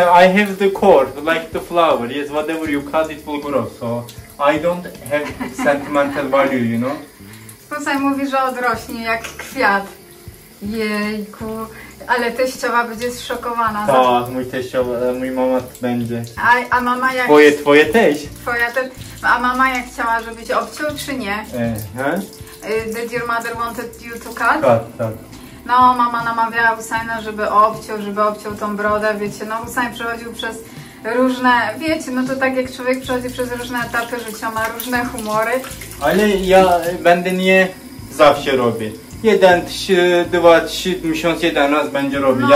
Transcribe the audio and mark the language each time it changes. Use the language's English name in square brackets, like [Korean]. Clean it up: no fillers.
[English] I have the core, like the flower. Yes, whatever you cut, it will grow. So I don't have sentimental value, you know? [Polish] Sposaj mówi, że odrośnie jak kwiat. Jejku. Ale teściowa będzie zszokowana. Tak, mój teściowa, mój mama będzie. A mama jak... Twoje teść. Twoja też. A mama jak chciała, żebyś obciął, czy nie? [English] Did your mother wanted you to cut? Cut, tak. [Polish] No, mama namawiała Husajna, żeby obciął tą brodę, wiecie, no Husajn przechodził przez różne, wiecie, no to tak jak człowiek przechodzi przez różne etapy życia, ma różne humory. Ale ja będę nie zawsze robię. Jeden, dwa, trzy miesiące, jeden raz będę robił.